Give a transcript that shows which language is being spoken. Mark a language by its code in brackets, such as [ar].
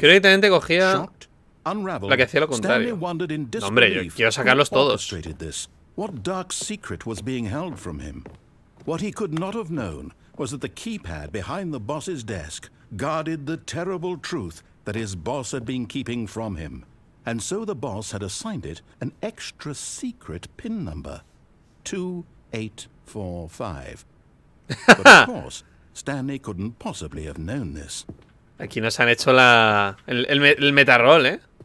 [es] Creo que también te cogía la que hacía lo contrario. No, hombre, yo quiero sacarlos todos. [en] What dark secret was being held from him? What he could not have known was that the keypad behind the boss's desk guarded the terrible truth that his boss had been keeping from him. And so the boss had assigned it an extra secret PIN number. 2845. But of course, Stanley couldn't possibly have known this. [es] Aquí nos han hecho la el metarol, ¿eh?